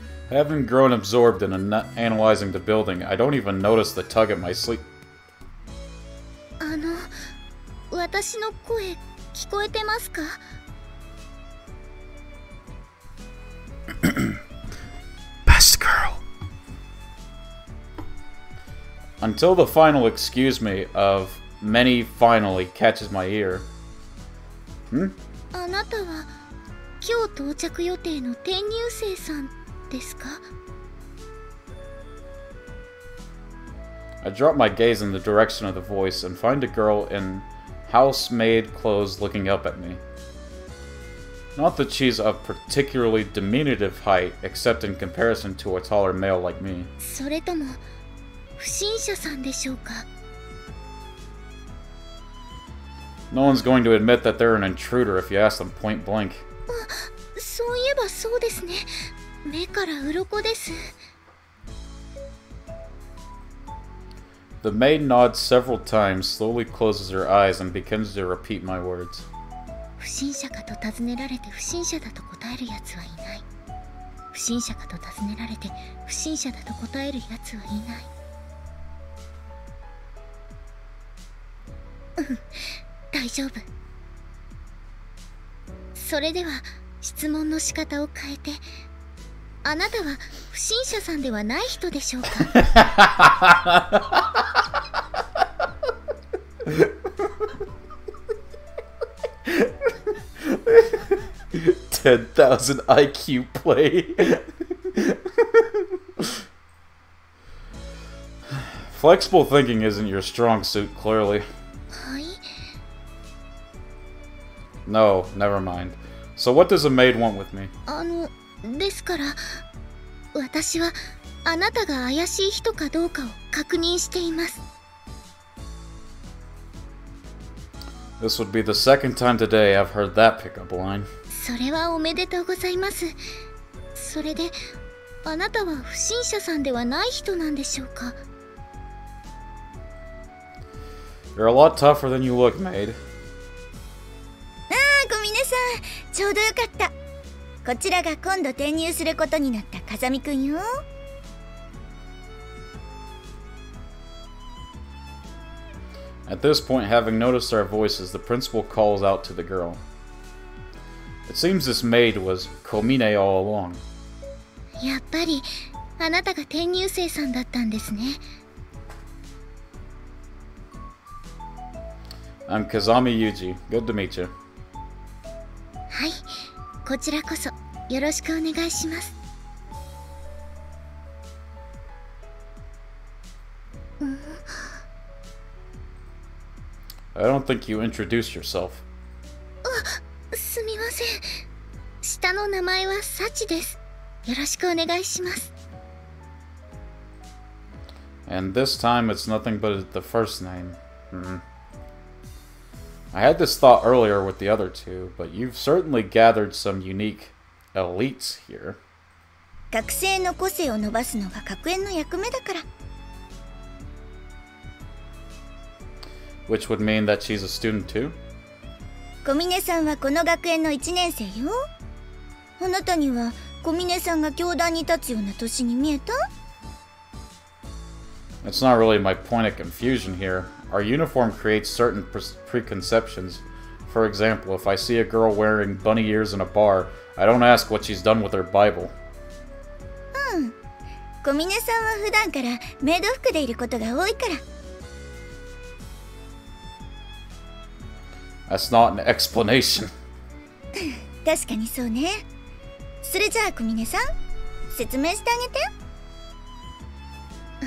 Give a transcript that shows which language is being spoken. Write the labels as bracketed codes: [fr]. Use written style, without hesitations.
[en] Having grown absorbed in analyzing the building, I don't even notice the tug at my sleeve. [ja] 私の声聞こえてますか? [en] Best girl. Until the final excuse me of many finally catches my ear. [ja] あなたは今日到着予定の転入生さんですか? [en] I drop my gaze in the direction of the voice and find a girl in housemaid clothes looking up at me. Not that she's of particularly diminutive height, except in comparison to a taller male like me. [ja] それとも不審者さんでしょうか? [en] No one's going to admit that they're an intruder if you ask them point blank. [ja] そういえばそうですね。目から鱗です。 [en] The maid nods several times, slowly closes her eyes and begins to repeat my words. [ja] 不審者かと尋ねられて不審者だと答えるやつはいない。不審者かと尋ねられて不審者だと答えるやつはいない。大丈夫。それでは質問の仕方を変えて、あなたは不審者さんではない人でしょうか。 [en] 10,000 IQ play. Flexible thinking isn't your strong suit, clearly. No, never mind. So what does a maid want with me? [ja] ですから、私はあなたが怪しい人かどうかを確認しています。 [en] This would be the second time today I've heard that pickup line. [ja] それはおめでとうございます。それで、あなたは不審者さんではない人なんでしょうか? [en] You're a lot tougher than you look, maid. [ja] ああ、小峰さん、ちょうどよかった。こちらが今度転入することになった風見くんよ。 [en] At this point, having noticed our voices, the principal calls out to the girl. It seems this maid was Komine all along. [ja] やっぱり、あなたが転入生さんだったんですね。 [en] I'm Kazami Yuji. Good to meet you. [ja] はい、こちらこそ、よろしくお願いします。 [en] I don't think you introduced yourself. [ja] すみません。下の名前はサチです。よろしくお願いします。 [en] And this time it's nothing but the first name. Mm-hmm. I had this thought earlier with the other two, but you've certainly gathered some unique elites here. [ja] 学生の個性を伸ばすのが学園の役目だから。 [en] Which would mean that she's a student too? [ja] 小峰さんはこの学園の1年生よ。あなたには小峰さんが教壇に立つような年に見えた? [en] That's not really my point of confusion here. Our uniform creates certain preconceptions. For example, if I see a girl wearing bunny ears in a bar, I don't ask what she's done with her Bible. [ja] うん。小峰さんは普段からメイド服でいることが多いから。 [en] That's not an explanation. [ja] 確かにそうね。それじゃあ、小峰さん、説明してあげて。